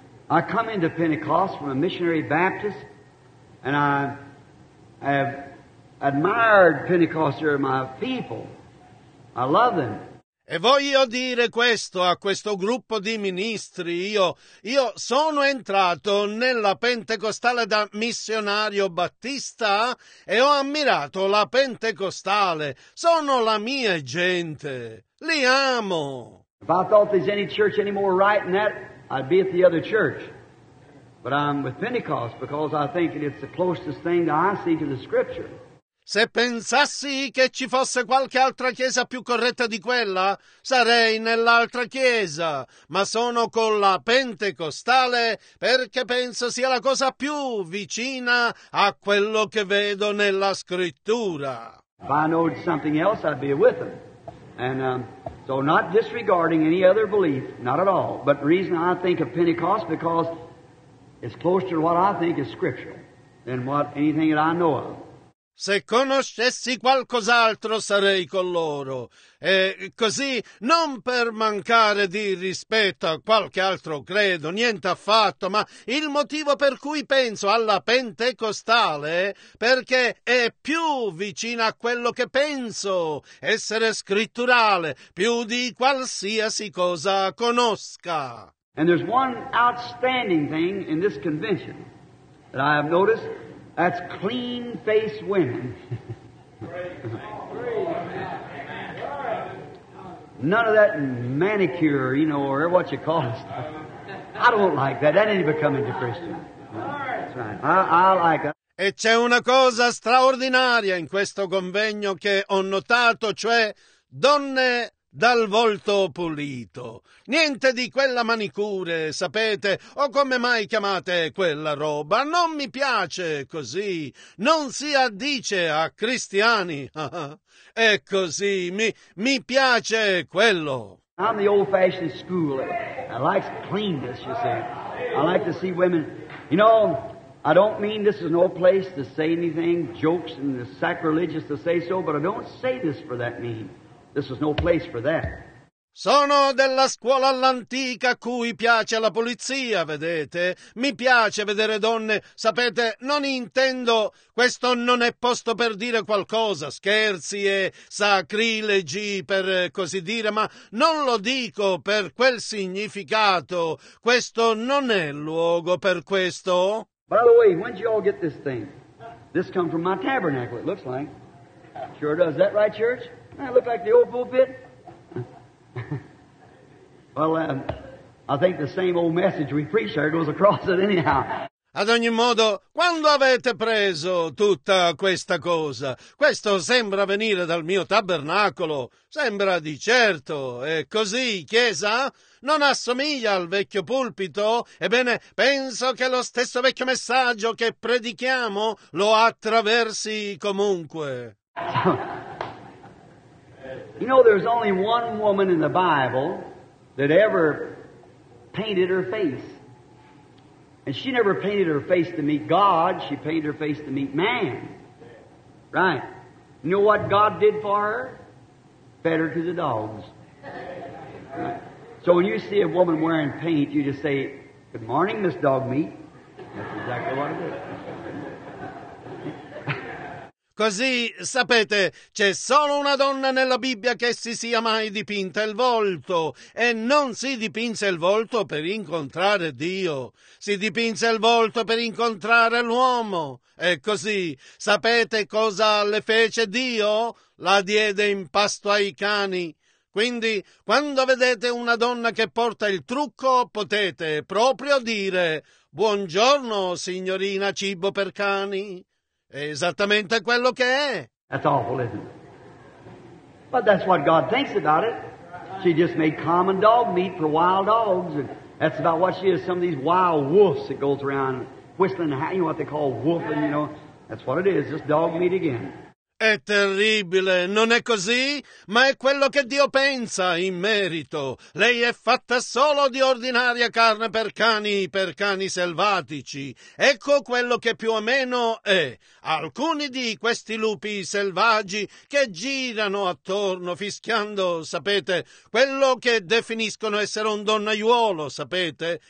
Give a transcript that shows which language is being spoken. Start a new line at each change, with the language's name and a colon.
English: I come into Pentecost from a missionary Baptist, and I have admired Pentecost here, my people. I love them.
Italian: E voglio dire questo a questo gruppo di ministri. Io sono entrato nella Pentecostale da missionario battista e ho ammirato la Pentecostale. Sono la mia gente. Li amo.
English: If I thought there's any church any more right than that, I'd be at the other church. But I'm with Pentecost because I think it's the closest thing that I see to the Scripture.
Italian: Se pensassi che ci fosse qualche altra chiesa più corretta di quella, sarei nell'altra chiesa, ma sono con la pentecostale perché penso sia la cosa più vicina a quello che vedo nella scrittura.
English: If I knew something else, I'd be with them. And so not disregarding any other belief, not at all, but the reason I think of Pentecost because it's closer to what I think is scriptural than what anything that I know of.
Italian: Se conoscessi qualcos'altro sarei con loro, e così non per mancare di rispetto a qualche altro credo, niente affatto, ma il motivo per cui penso alla pentecostale perché è più vicina a quello che penso essere scritturale, più di qualsiasi cosa conosca.
English: And there's one outstanding thing in this convention that I have noticed. That's clean-faced women. None of that manicure, you know, or what you call it. I don't like that. That ain't becoming to Christian. No, that's right. I like it.
Italian: E c'è una cosa straordinaria in questo convegno che ho notato, cioè donne dal volto pulito. Niente di quella manicure, sapete, o come mai chiamate quella roba. Non mi piace così. Non si addice a cristiani. È così. Mi piace quello.
English: I'm the old fashioned school. I like cleanness, you see. I like to see women. You know, I don't mean this is no place to say anything, jokes and sacrilegious to say so, but I don't say this for that mean. This is no place for that.
Italian: Sono della scuola all'antica a cui piace la pulizia, vedete? Mi piace vedere donne, sapete, non intendo, questo non è posto per dire qualcosa, scherzi e sacrilegi per così dire, ma non lo dico per quel significato, questo non è luogo per questo.
English: By the way, when did you all get this thing? This comes from my tabernacle, it looks like. Sure does. Is that right, church? That look like the old pulpit. Well, I think the same old message we preach there goes across it anyhow.
Italian: Ad ogni modo, quando avete preso tutta questa cosa? Questo sembra venire dal mio tabernacolo. Sembra di certo. È così, chiesa? Non assomiglia al vecchio pulpito? Ebbene, penso che lo stesso vecchio messaggio che predichiamo lo attraversi comunque.
English: You know, there's only one woman in the Bible that ever painted her face. And she never painted her face to meet God. She painted her face to meet man. Right. You know what God did for her? Fed her to the dogs. Right. So when you see a woman wearing paint, you just say, good morning, Miss Dog Meat. That's exactly what it is.
Italian: Così, sapete, c'è solo una donna nella Bibbia che si sia mai dipinta il volto e non si dipinse il volto per incontrare Dio, si dipinse il volto per incontrare l'uomo. E così, sapete cosa le fece Dio? La diede in pasto ai cani. Quindi, quando vedete una donna che porta il trucco, potete proprio dire «Buongiorno, signorina cibo per cani». Esattamente quello che è.
English: That's awful, isn't it? But that's what God thinks about it. She just made common dog meat for wild dogs, and that's about what she is. Some of these wild wolves that goes around whistling, you know what they call wolfing, you know. That's what it is, just dog meat again.
Italian: È terribile, non è così? Ma è quello che Dio pensa in merito. Lei è fatta solo di ordinaria carne per cani selvatici. Ecco quello che più o meno è. Alcuni di questi lupi selvaggi che girano attorno fischiando, sapete, quello che definiscono essere un donnaiuolo, sapete?